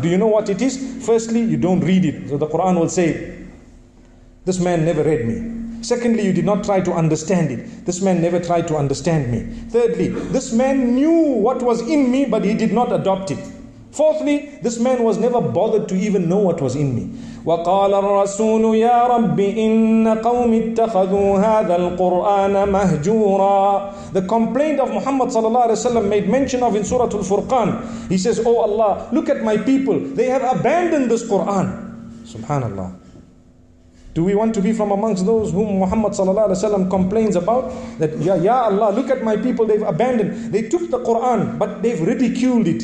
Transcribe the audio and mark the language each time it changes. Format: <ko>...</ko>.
<en>Do you know what it is? Firstly, you don't read it. So the Quran will say, this man never read me. Secondly, you did not try to understand it. This man never tried to understand me. Thirdly, this man knew what was in me, but he did not adopt it. Fourthly, this man was never bothered to even know what was in me.</en> <ar>وقال الرسول يا رب إن قوم اتخذوا هذا القرآن مهجورا.</ar> <en>The complaint of Muhammad sallallahu alaihi wasallam made mention of in Surah Al-Furqan. He says, "Oh Allah, look at my people. They have abandoned this Quran." Subhanallah. Do we want to be from amongst those whom Muhammad sallallahu alaihi wasallam complains about? That ya Allah, look at my people. They've abandoned. They took the Quran, but they've ridiculed it.</en>